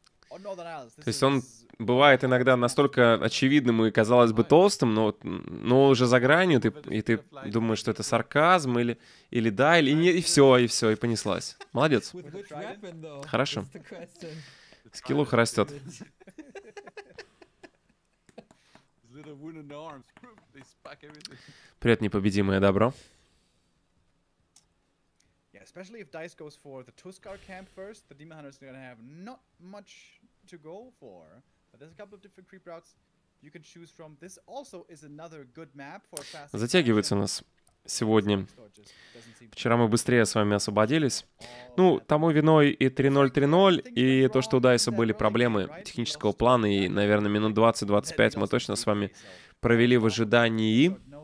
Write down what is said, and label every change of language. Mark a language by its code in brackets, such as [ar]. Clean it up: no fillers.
[ru] То есть он бывает иногда настолько очевидным и, казалось бы, толстым, но уже за гранью, ты думаешь, что это сарказм, или да, или нет, и все, и понеслась. Молодец. Хорошо. Скиллуха растет. [en] little wooden arms. They spike everything. [ru] Привет, непобедимое добро. [en] Yeah, especially if Dice goes for the Tuskar camp first, the Demon Hunters are gonna have not much to go for. But there's a couple of different creep routes you can choose from. This also is another good map for fast. [ru] Затягивается у нас сегодня. Вчера мы быстрее с вами освободились. Ну, тому виной и 3-0-3-0, и то, что у Дайса были проблемы технического плана, и, наверное, минут 20-25 мы точно с вами провели в ожидании.